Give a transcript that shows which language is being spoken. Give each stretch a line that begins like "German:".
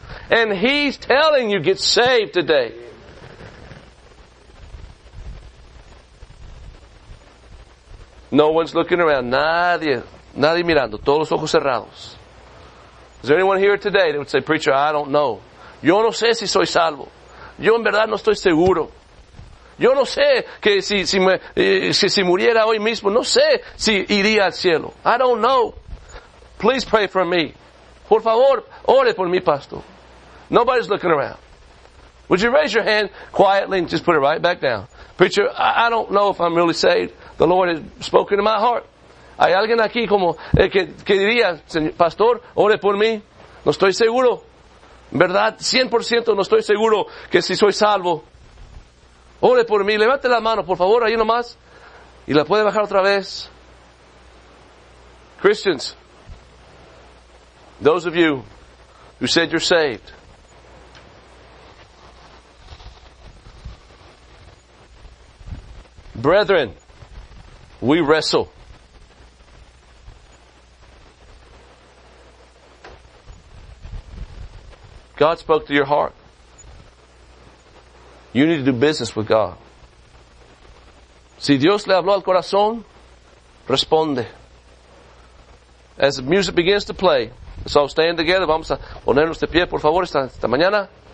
English: And He's telling you, get saved today. No one's looking around.
Spanish: Nadie mirando. Todos los ojos cerrados.
English: Is there anyone here today that would say, preacher, I don't know.
Spanish: Yo no sé si soy salvo. Yo en verdad no estoy seguro. Yo no sé que si muriera hoy mismo, no sé si iría al cielo.
English: I don't know. Please pray for me.
Spanish: Por favor, ore por mi pastor.
English: Nobody's looking around. Would you raise your hand quietly and just put it right back down? Preacher, I don't know if I'm really saved. The Lord has spoken to my heart.
Spanish: ¿Hay alguien aquí como que diría, señor, pastor, ore por mí? No estoy seguro. ¿Verdad? 100% no estoy seguro que si soy salvo. Ore por mí. Levante la mano, por favor, ahí nomás. Y la puede bajar otra vez.
English: Christians, those of you who said you're saved, brethren, we wrestle. God spoke to your heart. You need to do business with God.
Spanish: Si Dios le habló al corazón, responde.
English: As the music begins to play, let's all stand together.
Spanish: Vamos a ponernos de pie, por favor, esta mañana.